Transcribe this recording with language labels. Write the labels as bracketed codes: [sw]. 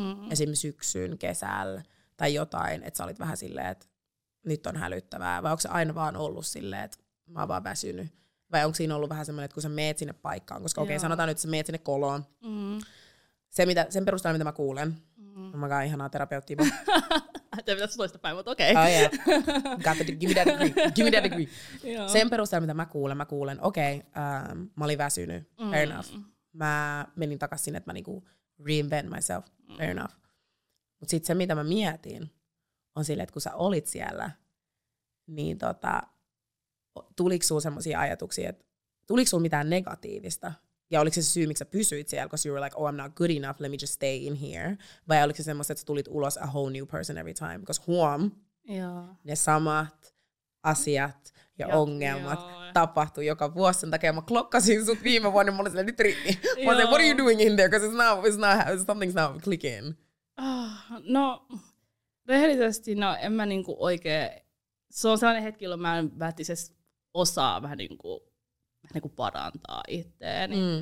[fi] Esimerkiksi syksyn, kesällä tai jotain, että sä olit vähän silleen, että nyt on hälyttävää, vai onko se aina vaan ollut silleen, että mä oon vaan väsynyt? Vai onko siinä ollut vähän semmoinen, että kun sä meet sinne paikkaan, koska okei, sanotaan nyt, että sä meet sinne koloon. Sen perusteella, mitä mä kuulen, on aika ihanaa terapeuttia. Tää pitäisi toista päin, mutta okei. [en] Okay. Oh, yeah. Got the degree, give me that degree, give me that degree. [fi] Sen perusteella, mitä mä kuulen, okei, mä olin väsynyt, [en] fair enough. [fi] Mä menin takaisin sinne, että mä niinku [en] reinvent myself, fair enough. [fi] Mut sit se, mitä mä mietin, on sille, että kun sä olit siellä, niin tuliko sulla semmosia ajatuksia, että tuliko sulla mitään negatiivista? Ja oliko se syy, miksi sä pysyit siellä, koska [en] you were like, oh, I'm not good enough, let me just stay in here. [fi] Vai oliko se semmoista, että sä tulit ulos [en] a whole new person every time? [fi] Koska huom, ne samat asiat ja ongelmat tapahtui joka vuosi. Sen takia mä klokkasin sut viime vuonna, mä olin sille, nyt riitti. Mä olin, [en] what are you doing in there? Because it's not, something's not clicking. [fi] No, rehellisesti, no en mä niinku oikein, se on sellainen hetki, jolloin mä en välttämättä osaa vähän niinku parantaa itseäni.